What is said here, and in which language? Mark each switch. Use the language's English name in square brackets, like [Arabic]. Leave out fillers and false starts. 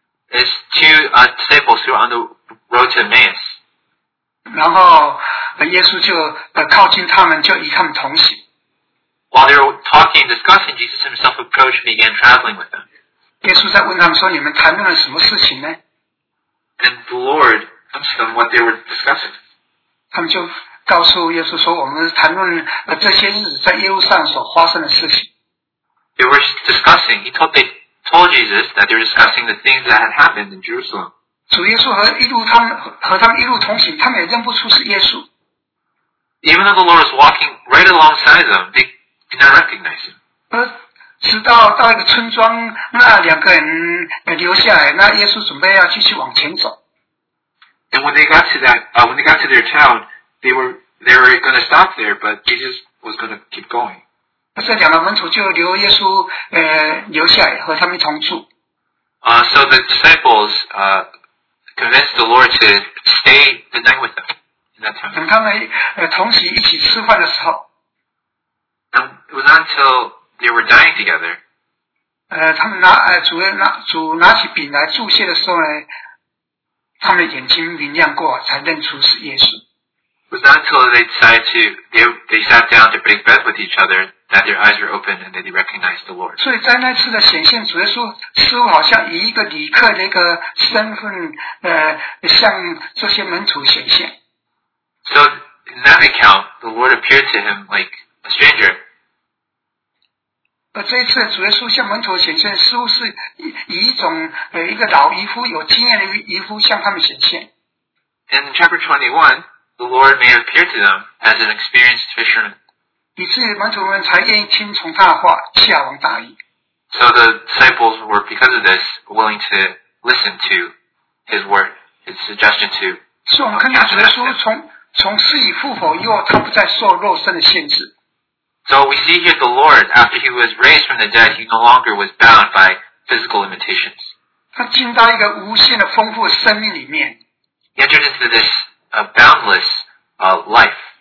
[English] It's two disciples who are on the road to Emmaus. [Chinese] 然后耶稣就靠近他们，就与他们同行。 [English] While they were talking and discussing, Jesus himself approached and began traveling with them. [Chinese] 耶稣在问他们说，你们谈论了什么事情呢？ [English] And the Lord asked them what they were discussing. [Chinese] 他们就告诉耶稣说，我们谈论了这些日子在耶路撒冷所发生的事情。 [English] They were discussing, they told Jesus that they were discussing the things that had happened in Jerusalem. [Chinese] 主耶稣和他们一路同行，他们也认不出是耶稣。 [English] Even though the Lord was walking right alongside them, they did not recognize him. [Chinese] 直到一个村庄，那两个人留下来，那耶稣准备要继续往前走。 [English] And when they got to that, when they got to their town, they were going to stop there, but Jesus was going to keep going. [Chinese] 这两个门徒就留耶稣留下来和他们同住。 [English] So the disciples convinced the Lord to stay the night with them in that time. [Chinese] 等他们同席一起吃饭的时候。 [English] And it was not until they were dying together. [Chinese] 他们拿主拿起饼来祝谢的时候呢，他们的眼睛明亮过，才认出是耶稣。 [English] It was not until they sat down to break bread with each other. That their eyes were open and that they recognized the Lord. [Chinese] 所以在那次的显现，主耶稣似乎好像以一个旅客的一个身份，向这些门徒显现。 [English] So in that account, the Lord appeared to him like a stranger. [Chinese] 这一次主耶稣向门徒显现，似乎是以一种一个老渔夫有经验的渔夫向他们显现。 [English] In chapter 21, the Lord may appear to them as an experienced fisherman. [Chinese] 以至于门徒们才愿意听从他的话，下网打鱼。 [English] So the disciples were because of this willing to listen to his word, his suggestion to. [Chinese] 是我们看见主耶稣从死里复活以后，他不再受肉身的限制。 [English] So we see here the Lord after he was raised from the dead, he no longer was bound by physical limitations. [Chinese] 他进到一个无限的丰富的生命里面。 [English] He entered into this boundless life.